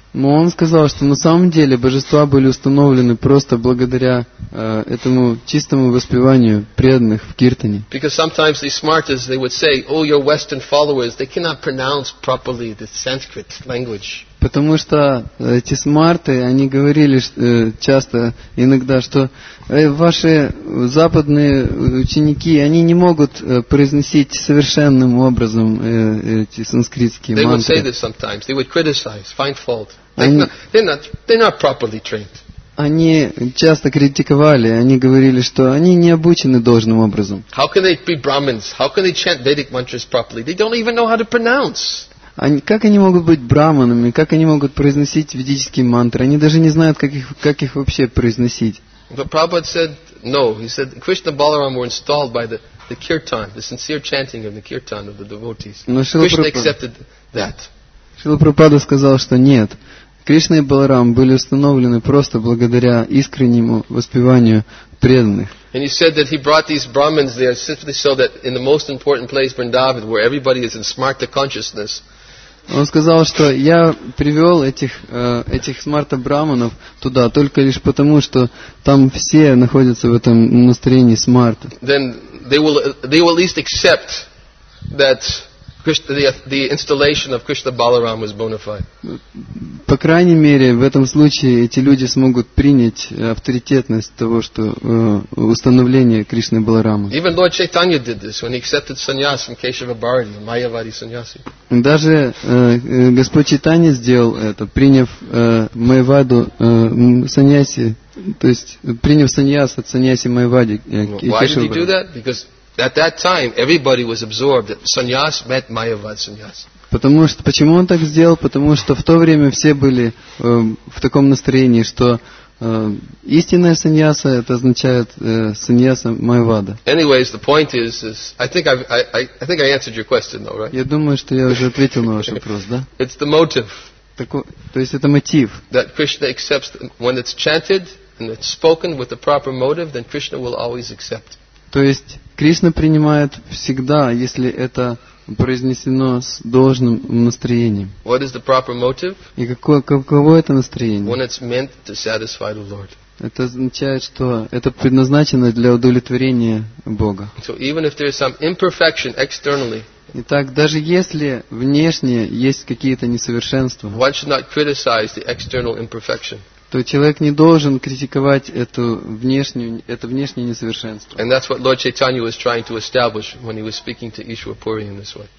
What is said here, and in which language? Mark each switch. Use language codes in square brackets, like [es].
[ru] Но он сказал, что на самом деле божества были установлены просто благодаря этому чистому воспеванию преданных в киртане. [en] Because sometimes these smartas, they would say, oh, your Western followers, they cannot pronounce properly the Sanskrit language. [ru] Потому что эти смарты, они говорили часто, иногда, что ваши западные ученики, они не могут произносить совершенным образом эти санскритские мантры. [en] They would say this sometimes. They would criticize, find fault. They're not properly trained. [ru] Они часто критиковали, они говорили, что они не обучены должным образом. [en] How can they be Brahmins? How can they chant Vedic mantras properly? They don't even know how to pronounce. [ru] Как они могут быть брахманами? Как они могут произносить ведические мантры? Они даже не знают, как их вообще произносить. [en] Prabhupada said no. He said Krishna Balaram were installed by the kirtan, the sincere chanting of the kirtan of the devotees. Krishna accepted that. [ru] Шрила Прабхупада сказал, что нет. Кришна и Баларам были установлены просто благодаря искреннему воспеванию преданных. [en] And he said that he brought these Brahmins there simply so that in the most important place, Vrindavan, where everybody is in smarta consciousness. [ru] Он сказал, что я привел этих смарта-брахманов туда только лишь потому, что там все находятся в этом настроении смарта. [en] Then they will at least accept that the installation of Krishna Balaram was bona fide. [ru] По крайней мере, в этом случае эти люди смогут принять авторитетность того, что установление Кришны Баларамы. [en] Even Lord Chaitanya did this when he accepted sannyas from Keshava Bharati, Mayavadi sannyasi. [ru] Даже Господь Чайтанья сделал это, приняв Майваду сannyasi, то есть приняв саньяс от сannyasi Майвади. [en] Why did he do that? Because at that time everybody was absorbed. Sannyas meant Mayavad sannyas. [ru] Потому что почему он так сделал? Потому что в то время все были в таком настроении, что истинная саньяса это означает саньяса майвада. [en] Anyways, the point is I think I answered your question, though, right? [ru] Я думаю, что я уже ответил на ваш вопрос, да? [en] It's the motive. [ru] То есть это мотив. [en] That Krishna accepts when it's chanted and it's spoken with the proper motive, then Krishna will always accept. [ru] То есть Кришна принимает всегда, если это произнесено с должным настроением. [en] What is the proper motive? [ru] И каково это настроение? [en] When it's meant to satisfy the Lord. [ru] Это означает, что это предназначено для удовлетворения Бога. [en] So even if there is some imperfection externally, [ru] итак, даже если внешне есть какие-то несовершенства, [en] one should not criticize the external imperfection. [ru] То человек не должен критиковать эту внешнюю, это внешнее несовершенство. [en] And that's what Lord Chaitanya was trying to establish when he was speaking to Ishwarpuri in this way.